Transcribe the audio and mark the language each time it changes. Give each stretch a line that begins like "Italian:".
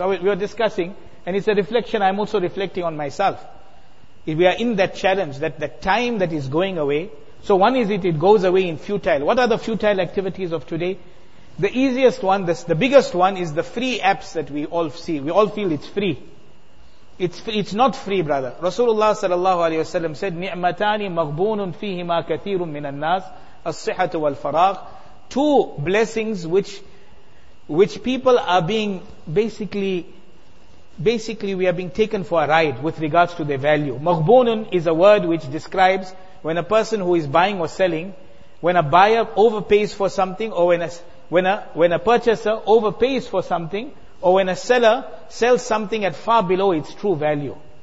English: We are discussing, and it's a reflection. I'm also reflecting on myself. If we are in that challenge, that time that is going away. So one is it goes away in futile. What are the futile activities of today? The easiest one, the biggest one, is the free apps that we all see. We all feel it's free. It's not free, brother.
Arabic: Rasulullah sallallahu alayhi wa sallam said, نِعْمَتَانِ مَغْبُونٌ فِيهِمَا كَثِيرٌ مِنَ النَّاسِ الصِّحَةُ وَالْفَرَاغِ.
English: Two blessings which people are being basically we are being taken for a ride with regards to their value. مَغْبُونٌ is a word which describes when a person who is buying or selling, when a buyer overpays for something, or when a purchaser overpays for something, or when a seller sells something at far below its true value.